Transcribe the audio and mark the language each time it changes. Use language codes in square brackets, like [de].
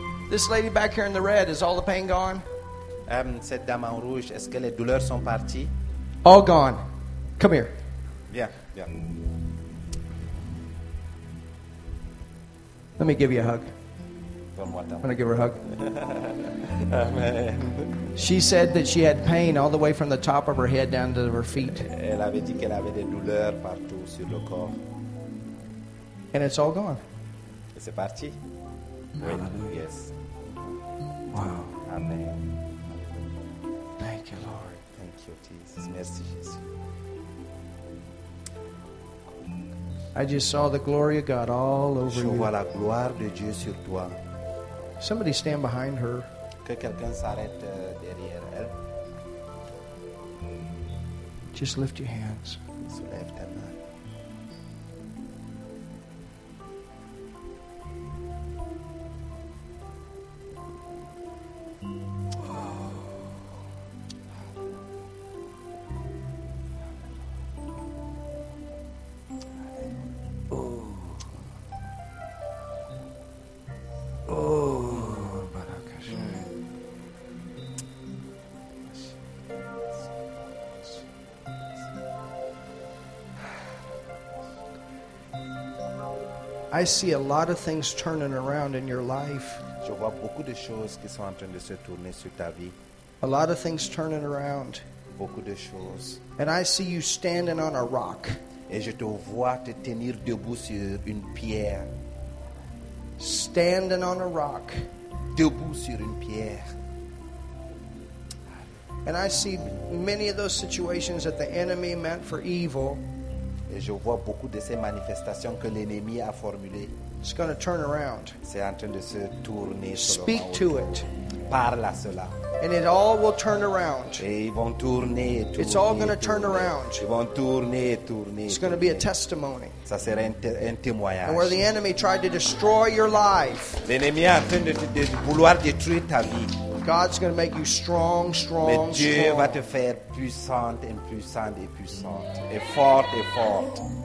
[en] This lady back here in the red, is all the pain gone? [fr] Cette dame en rouge, est-ce que les douleurs sont parties? [en] All gone. Come here. Yeah, yeah. Let me give you a hug. I'm going to give her a hug. Amen. She said that she had pain all the way from the top of her head down to her feet. [fr] Elle avait dit qu'elle avait des douleurs partout sur le corps. [en] And it's all gone. [fr] Et c'est parti. [en] Hallelujah. Yes. Wow. Amen. Thank you, Lord. Thank you, Jesus. [fr] Merci, Jésus. [en] I just saw the glory of God all over [fr] je [en] you. [fr] Je vois la gloire de Dieu sur toi. [en] Somebody stand behind her. [fr] Que quelqu'un s'arrête derrière elle. [en] Just lift your hands. [fr] Soulève ta main. [en] I see a lot of things turning around in your life. [fr] Je vois beaucoup de choses qui sont en train de se tourner sur ta vie. [en] A lot of things turning around. [fr] Beaucoup de choses. [en] And I see you standing on a rock. [fr] Et je te vois te tenir debout sur une pierre. [en] Standing on a rock. [fr] Debout sur une pierre. [en] And I see many of those situations that the enemy meant for evil. [fr] Et je vois beaucoup de ces manifestations que l'ennemi a formulées. [en] It's going to turn around. [fr] C'est en train de se tourner. [en] Speak to it. [fr] Parle à cela. [en] And it all will turn around. [fr] Et ils vont tourner, tourner. [en] It's all going to turn around. [fr] Ils vont tourner, tourner. [en] It's going to be a testimony. [fr] Ça sera un témoignage. [en] And where the enemy tried to destroy your life. [fr] L'ennemi est en train de vouloir détruire ta vie. [en] God's going to make you strong, strong, [fr] mais Dieu [en] strong. [fr] Va te faire puissante et puissante et puissante et forte et forte.